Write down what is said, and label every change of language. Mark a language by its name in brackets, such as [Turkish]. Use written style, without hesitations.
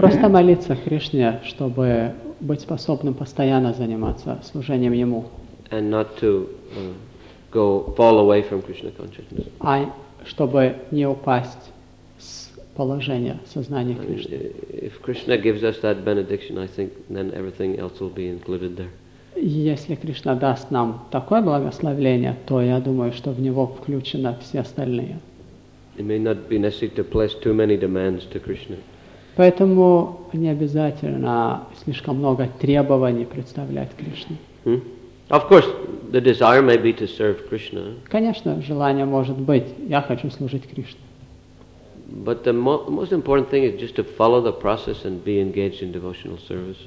[Russian] Просто молиться Кришне, чтобы быть способным постоянно заниматься служением Ему. [English] And not to go fall away from Krishna consciousness. [Russian] А чтобы не упасть с положения сознания Кришны. [English] If Krishna gives us that benediction, I think then everything else will be included there. [Russian] Если Кришна даст нам такое благословение, то я думаю, что в него включены все остальные. [English] It may not be necessary to place too many demands to Krishna. [Russian] Поэтому не обязательно слишком много требований представлять Кришне. [English] Of course, the desire may be to serve Krishna. [Russian] Конечно, желание может быть, я хочу служить Кришне. [English] But the most important thing is just to follow the process and be engaged in devotional service.